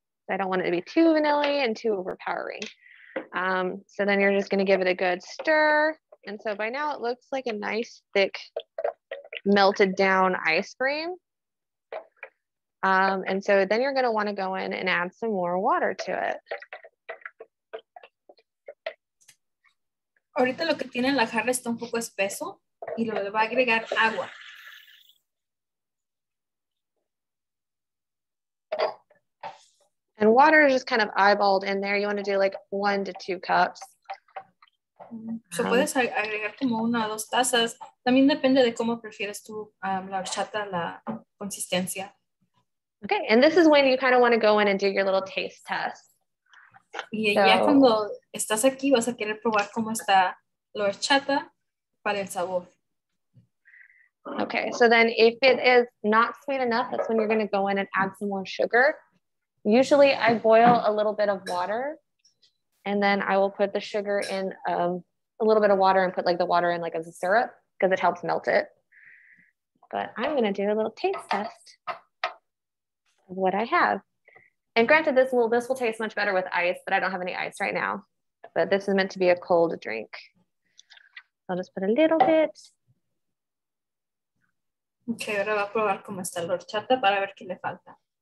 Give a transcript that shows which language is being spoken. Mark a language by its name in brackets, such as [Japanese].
[English] I don't want it to be too vanilla-y and too overpowering. So then you're just going to give it a good stir. And so by now it looks like a nice thick melted down ice cream. And so then you're going to want to go in and add some more water to it. [Spanish] Ahorita lo que tiene en la jarra está un poco espeso y lo va a agregar agua. [English] And water is just kind of eyeballed in there. You want to do like 1 to 2 cups. [Spanish] So puedes agregar como 1 o 2 tazas. También depende de cómo prefieres tú la horchata, la consistencia. [English] Okay, and this is when you kind of want to go in and do your little taste test. [Spanish] Y so, ya cuando estás aquí vas a querer probar cómo está la horchata para el sabor. [English] Okay, so then if it is not sweet enough, that's when you're going to go in and add some more sugar. Usually I boil a little bit of water and then I will put the sugar in a little bit of water and put like the water in like as a syrup because it helps melt it. But I'm going to do a little taste test of what I have. And granted, this will taste much better with ice, but I don't have any ice right now. But this is meant to be a cold drink. I'll just put a little bit. [Spanish] Okay, ahora va a probar cómo está la horchata para ver qué le falta.